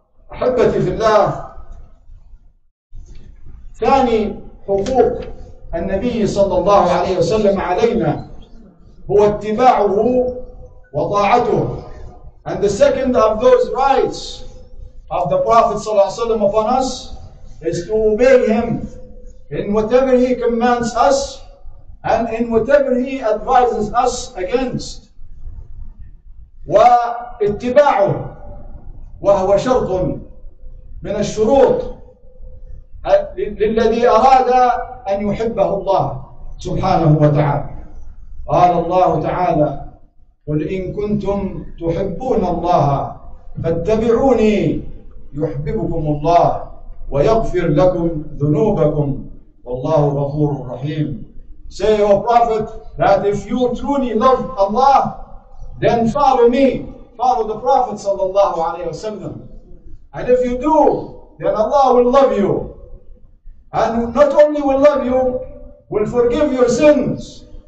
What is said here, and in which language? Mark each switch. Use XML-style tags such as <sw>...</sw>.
<ar>وأحبتي في الله ثاني حقوق النبي صلى الله عليه وسلم علينا هو اتباعه وطاعته.</ar> <en>And the second of those rights of the Prophet</en> <ar>صلى الله عليه وسلم</ar> <en>upon us is to obey him in whatever he commands us and in whatever he advises us against.</en> <ar>واتباعه وهو شرط من الشروط للذي أراد أن يحبه الله سبحانه وتعالى. قال الله تعالى: قل إن كنتم تحبون الله فاتبعوني يحببكم الله ويغفر لكم ذنوبكم والله غفور رحيم.</ar> <en>Say, O Prophet, that if you truly love Allah, then follow me. Follow the Prophet sallallahu alayhi wasallam. And if you do, then Allah will love you. And not only will love you, will forgive your sins.</en>